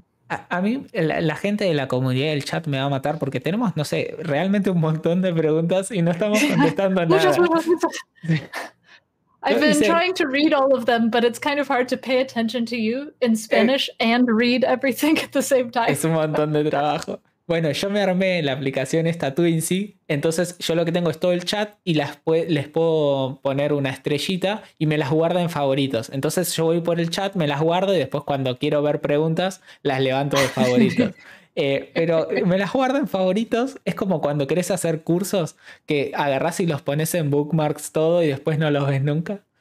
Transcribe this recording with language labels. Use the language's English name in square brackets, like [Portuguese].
[Spanish] A mí, la gente de la comunidad del chat me va a matar porque tenemos, no sé, realmente un montón de preguntas y no estamos contestando nada. [English] I've been trying to read all of them, but it's kind of hard to pay attention to you in Spanish and read everything at the same time. [Spanish] Es un montón de trabajo. Bueno, yo me armé la aplicación esta Twincy, entonces yo lo que tengo es todo el chat y les puedo poner una estrellita y me las guarda en favoritos. Entonces yo voy por el chat, me las guardo y después cuando quiero ver preguntas las levanto de favoritos. pero me las guardo en favoritos, es como cuando querés hacer cursos que agarrás y los pones en bookmarks todo y después no los ves nunca.